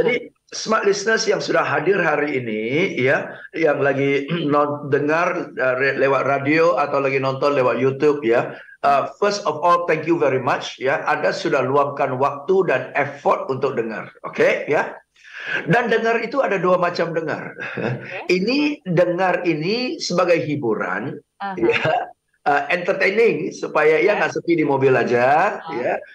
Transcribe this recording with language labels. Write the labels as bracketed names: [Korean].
[Indonesian] Jadi [English] smart listeners [Indonesian] yang sudah hadir hari ini ya, yang lagi dengar lewat radio atau lagi nonton lewat YouTube ya. [English] First of all, thank you very much ya. [Indonesian] Anda sudah luangkan waktu dan effort untuk dengar, okay, ya. Dan dengar itu ada dua macam dengar. Okay. Ini dengar ini sebagai hiburan, entertaining supaya ya nggak sepi di mobil aja, ya.